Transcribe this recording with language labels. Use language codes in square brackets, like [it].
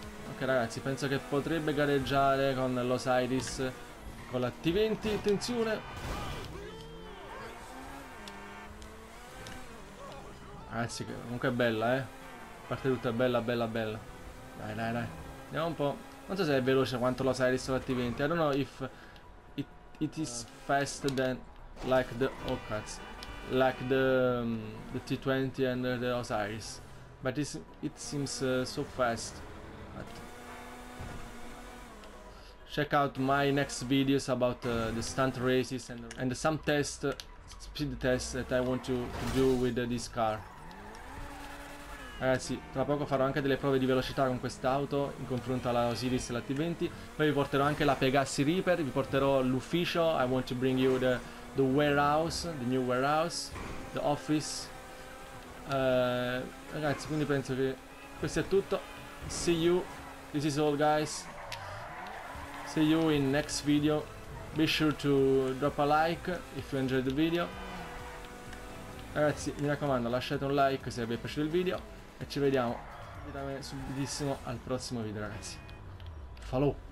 [it] Ok, ragazzi, penso che potrebbe gareggiare con Los Iris con la T20. Attenzione, ragazzi, comunque è bella, eh. A parte tutto, è bella. Dai. Andiamo un po'. Non so se è veloce quanto Los Iris con la T20. [en] I don't know if it is faster than. Like the Ocats, like the T20 and the Osiris, but it seems so fast. But check out my next videos about the stunt races and some tests, speed tests that I want to do with this car. [it] Ragazzi, tra poco farò anche delle prove di velocità con quest'auto in confronto alla Osiris e la T20. Poi vi porterò anche la Pegassi Reaper, vi porterò l'ufficio. [en] I want to bring you the warehouse, the new warehouse, the office. [it] Ragazzi, quindi penso che questo è tutto. [en] See you, this is all, guys. See you in next video. Be sure to drop a like if you enjoyed the video. [it] Ragazzi, mi raccomando, lasciate un like se vi è piaciuto il video. E ci vediamo subitissimo al prossimo video, ragazzi. Falò!